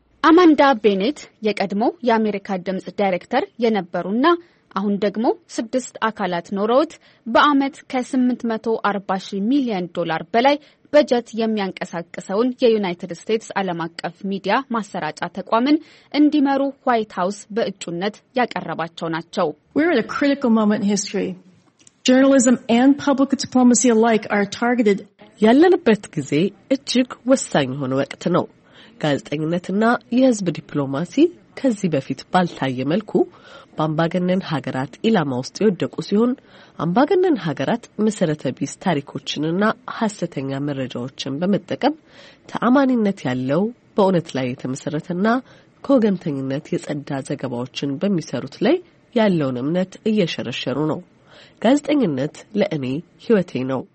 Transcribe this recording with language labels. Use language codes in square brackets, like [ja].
[am] አማንዳ ቤኔት የቀድሞው የአሜሪካ ድምጽ ዳይሬክተር የነበሩና አሁን ደግሞ 6 አካላት ኖረውት በአመት ከ840 ሚሊዮን ዶላር በላይ በጀት የሚያንቀሳቅሰውን የዩናይትድ ስቴትስ ዓለም አቀፍ ሚዲያ ማሰራጫ ተቋምን እንዲመሩ ዋይት ሃውስ በእጩነት ያቀረባቸው ናቸው። [en] We're at a critical moment in history. Journalism and public diplomacy alike are targeted. [am] ያለንበት ጊዜ እጅግ ወሳኝ የሆነ ወቅት ነው። ጋዜጠኝነትና የህዝብ ዲፕሎማሲ ከዚህ በፊት ባልታየ መልኩ በአምባገነን ሀገራት ኢላማ ውስጥ የወደቁ ሲሆን፣ አምባገነን ሀገራት መሰረተ ቢስ ታሪኮችንና ሐሰተኛ መረጃዎችን በመጠቀም ተአማኒነት ያለው በእውነት ላይ የተመሰረተና ከወገንተኝነት የጸዳ ዘገባዎችን በሚሰሩት ላይ ያለውን እምነት እየሸረሸሩ ነው። ጋዜጠኝነት ለእኔ ህይወቴ ነው።